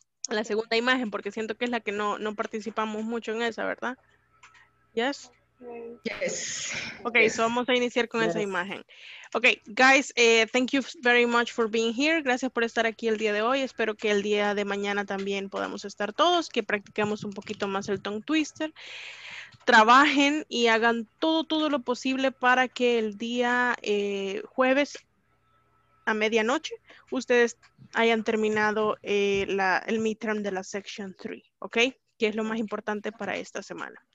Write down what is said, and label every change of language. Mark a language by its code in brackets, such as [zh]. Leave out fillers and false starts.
[es] La segunda imagen, porque siento que es la que no participamos mucho en esa, ¿verdad? [en] Yes. Yes. Ok, yes. [es] So vamos a iniciar con esa imagen. [en] Ok, guys, thank you very much for being here. [es] Gracias por estar aquí el día de hoy. Espero que el día de mañana también podamos estar todos, que practiquemos un poquito más el tongue twister. Trabajen y hagan todo lo posible para que el día jueves a medianoche ustedes hayan terminado el midterm de la section 3, ok, que es lo más importante para esta semana.